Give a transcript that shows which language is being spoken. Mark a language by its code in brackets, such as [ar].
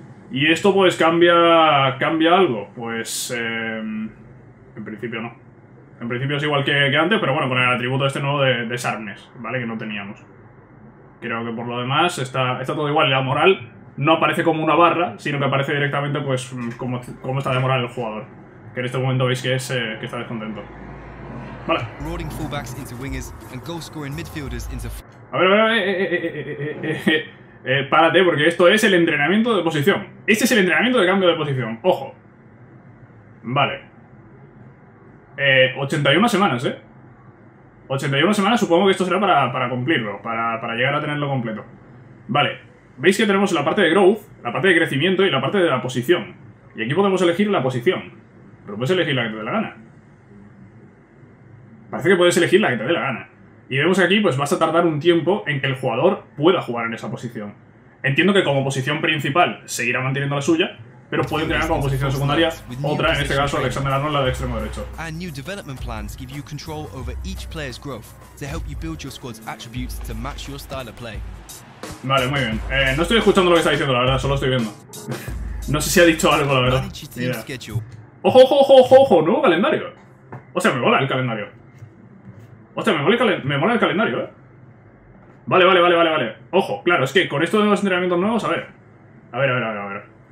[es] Y esto pues cambia algo. Pues en principio no. En principio es igual que antes, pero bueno, con el atributo este nuevo de Sharpness, ¿vale? Que no teníamos. Creo que por lo demás está todo igual. La moral no aparece como una barra, sino que aparece directamente pues como está de moral el jugador. Que en este momento veis que está descontento. Vale. [en] Rolling fullbacks into wingers and goal scoring midfielders into. [es] A ver, a ver, a ver. Párate, porque esto es el entrenamiento de posición. Este es el entrenamiento de cambio de posición. Ojo. Vale. 81 semanas, ¿eh? 81 semanas, supongo que esto será para cumplirlo, para llegar a tenerlo completo. Vale. Veis que tenemos la parte de growth, la parte de crecimiento y la parte de la posición. Y aquí podemos elegir la posición. Pero puedes elegir la que te dé la gana. Parece que puedes elegir la que te dé la gana. Y vemos que aquí pues vas a tardar un tiempo en que el jugador pueda jugar en esa posición. Entiendo que como posición principal seguirá manteniendo la suya, pero puede entrenar como posición secundaria otra, en este caso Alexander Arnold, la de extremo derecho. [en] And new development plans give you control over each player's growth to help you build your squad's attributes to match your style of play. [es] Vale, muy bien. No estoy escuchando lo que está diciendo, la verdad, solo estoy viendo. No sé si ha dicho algo, la verdad. Mira. Ojo, ojo, ojo, ojo, ojo, nuevo calendario. O sea, me mola el calendario. Hostia, me mola el calendario, ¿eh? Vale. Ojo, claro, es que con esto de los entrenamientos nuevos, a ver. A ver, a ver, a ver, a ver.